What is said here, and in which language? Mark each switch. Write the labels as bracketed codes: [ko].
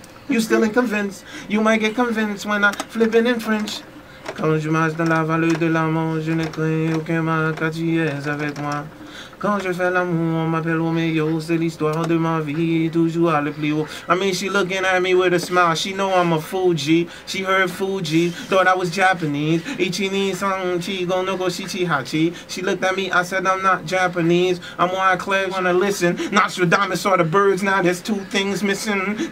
[en] You still ain't convinced. You might get convinced when I flip it in French. [fr] Quand je marche dans la vallée de la mort, je ne crée aucun mal quand tu es avec moi. Quand je fais l'amour, on m'appelle Romeo. C'est l'histoire de ma vie, toujours aller plus haut. [en] I mean, she looking at me with a smile. She know I'm a Fuji. She heard Fuji, thought I was Japanese. [ja] Ichi ni san chi gono go shichi hachi. [en] She looked at me, I said I'm not Japanese. I'm Wyclef, wanna listen. Nostradamus saw the birds, now there's two things missing.